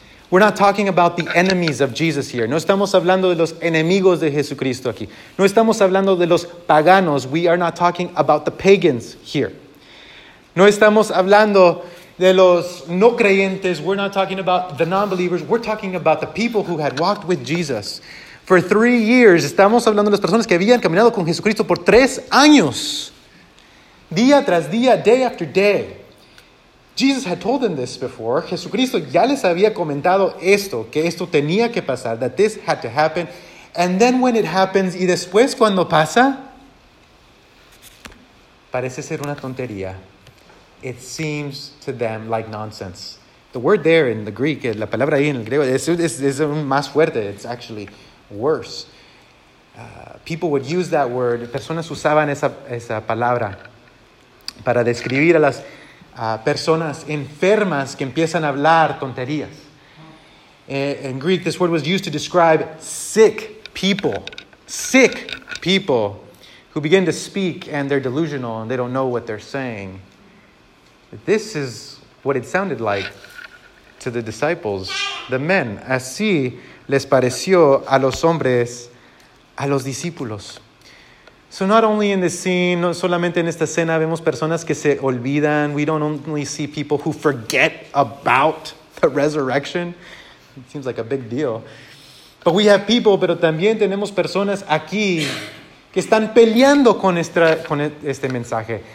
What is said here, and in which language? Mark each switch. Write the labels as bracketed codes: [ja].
[en] We're not talking about the enemies of Jesus here. [es] No estamos hablando de los enemigos de Jesucristo aquí. No estamos hablando de los paganos. [en] We are not talking about the pagans here. [es] No estamos hablando de los no creyentes. [en] We're not talking about the non-believers. We're talking about the people who had walked with Jesus for 3 years. [es] Estamos hablando de las personas que habían caminado con Jesucristo por 3 años. Día tras día, [en] day after day. Jesus had told them this before. [es] Jesucristo ya les había comentado esto, que esto tenía que pasar, [en] that this had to happen. And then when it happens, [es] y después cuando pasa, parece ser una tontería. [en] It seems to them like nonsense. The word there in the Greek, [es] la palabra ahí en el griego, es más fuerte. [en] It's actually worse. People would use that word. [es] Personas usaban esa palabra para describir a las personas enfermas que empiezan a hablar tonterías. [en] In Greek, this word was used to describe sick people, sick people, who begin to speak and they're delusional and they don't know what they're saying. This is what it sounded like to the disciples, the men. [es] Así les pareció a los hombres, a los discípulos. [en] So not only in this scene, [es] no solamente en esta escena, vemos personas que se olvidan. [en] We don't only see people who forget about the resurrection. It seems like a big deal. But we have people, [es] pero también tenemos personas aquí que están peleando con este mensaje.